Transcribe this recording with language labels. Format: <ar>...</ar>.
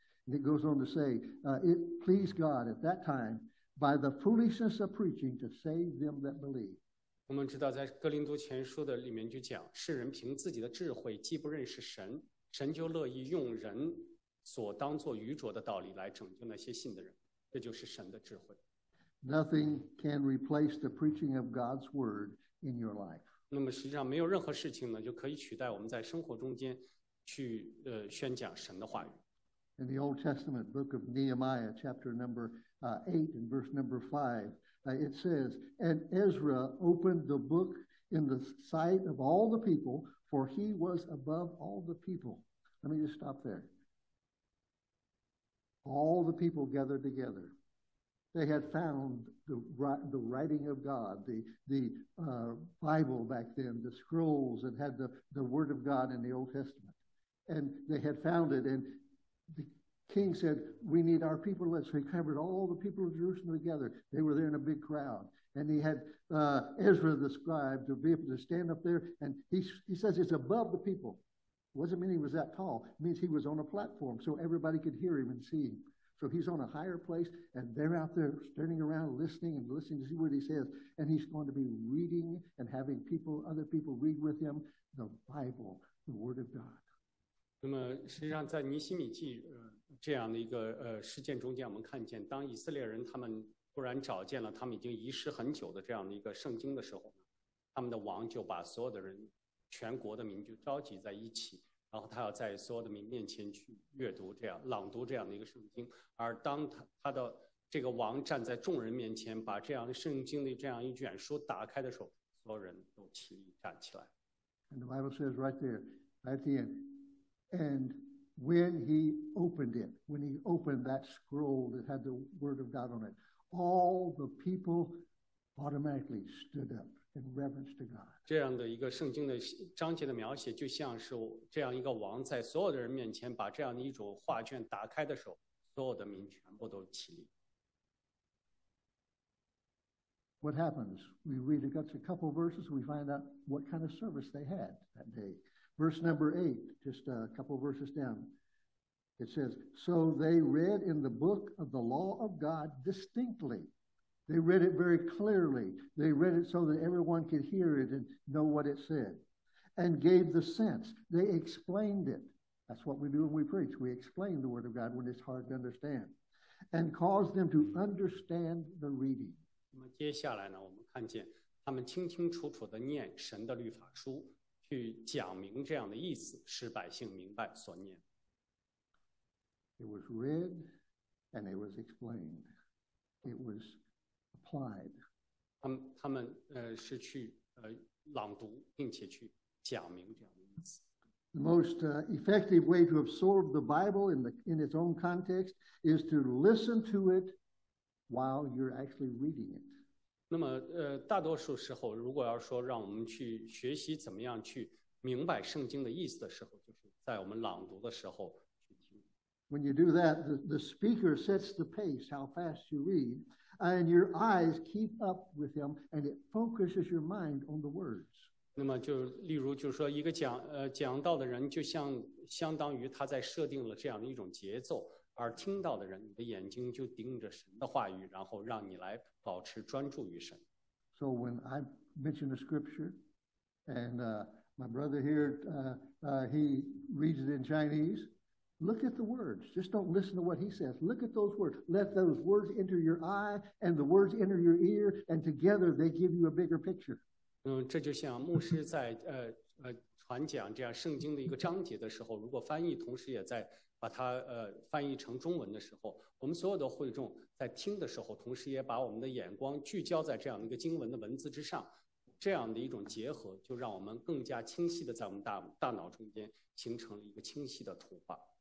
<en>And it goes on to say, "It pleased God at that time." By the foolishness of preaching to save them that believe.</en> <zh>我们知道在哥林多前书的里面就讲，世人凭自己的智慧既不认识神，神就乐意用人所当作愚拙的道理来拯救那些信的人，这就是神的智慧。</zh> <en>Nothing can replace the preaching of God's word in your life.</en> <zh>那么实际上没有任何事情呢就可以取代我们在生活中间去宣讲神的话语。</zh> <en>In the Old Testament book of Nehemiah, chapter number 8 and verse number 5, it says, "And Ezra opened the book in the sight of all the people, for he was above all the people." Let me just stop there. All the people gathered together. They had found the writing of God, the Bible back then, the scrolls that had the word of God in the Old Testament. And they had found it, and the king said, "We need our people left." So he gathered all the people of Jerusalem together. They were there in a big crowd. And he had Ezra the scribe to be able to stand up there. And he says it's above the people. Wasn't meaning he was that tall. It means he was on a platform so everybody could hear him and see him. So he's on a higher place, and they're out there standing around listening and listening to see what he says. And he's going to be reading and having people, other people read with him the Bible, the Word of God.</en> <zh>那么实际上在尼西米记这样的一个事件中间，我们看见当以色列人他们突然找见了他们已经遗失很久的这样的一个圣经的时候，他们的王就把所有的人全国的民就召集在一起，然后他要在所有的民面前去阅读这样朗读这样的一个圣经。而当他的这个王站在众人面前把这样的圣经的这样一卷书打开的时候，所有人都起立站起来。</zh> <en>And the Bible says right there at the end, and when he opened it, when he opened that scroll that had the word of God on it, all the people automatically stood up in reverence to God.</en> <zh>这样的一个圣经的章节的描写就像是这样一个王在所有的人面前把这样的一种画卷打开的时候，所有的民全部都起立。</zh> <en>What happens? We read a couple of verses, we find out what kind of service they had that day. Verse number 8, just a couple of verses down, it says, so they read in the book of the law of God distinctly. They read it very clearly. They read it so that everyone could hear it and know what it said. And gave the sense. They explained it. That's what we do when we preach. We explain the word of God when it's hard to understand. And caused them to understand the reading.</en> <zh>那么接下来呢，我们看见他们清清楚楚地念神的律法书，去讲明这样的意思，使百姓明白所念。</zh> <en>It was read and it was explained. It was applied.</en> <zh>他们是去朗读，并且去讲明这样的意思。</zh> <en>The most effective way to absorb the Bible in its own context is to listen to it while you're actually reading it.</en> <zh>那么大多数时候，如果要说让我们去学习怎么样去明白圣经的意思的时候，就是在我们朗读的时候。</zh> <en>When you do that, the speaker sets the pace, how fast you read, and your eyes keep up with him, and it focuses your mind on the words.</en> <zh>那么就例如就是说一个讲道的人就像相当于他在设定了这样的一种节奏，而听到的人你的眼睛就盯着神的话语，然后让你来保持专注于神。</zh> <en>So when I mention a scripture, and my brother here, he reads it in Chinese,Look at the words. Just don't listen to what he says. Look at those words. Let those words enter your eye and the words enter your ear, and together they give you a bigger picture.</en> <zh>这就像牧师在传讲这样圣经的一个章节的时候，如果翻译同时也在把它翻译成中文的时候，我们所有的会众在听的时候，同时也把我们的眼光聚焦在这样一个经文的文字之上。这样的一种结合，就让我们更加清晰的在我们大脑中间形成了一个清晰的图画。</zh>